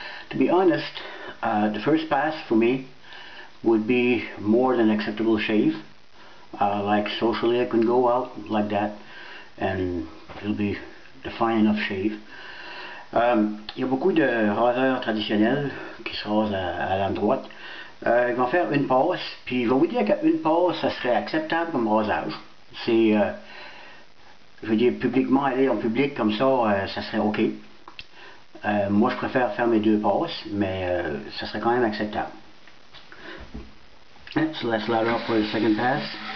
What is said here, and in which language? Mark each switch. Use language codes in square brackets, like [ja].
[en] To be honest, the first pass for me would be more than acceptable shave. Like socially, I can go out like that, and it'll be the fine enough shave. [fr] Il y a beaucoup de raseurs traditionnels qui se rasent à l'endroit. Ils vont faire une passe, puis ils vont vous dire qu'une passe, ça serait acceptable comme rasage. C'est, je veux dire, publiquement, aller en public comme ça, ça serait OK. Moi, je préfère faire mes deux passes, mais ça serait quand même acceptable. [en] So let's ladder up for the second pass.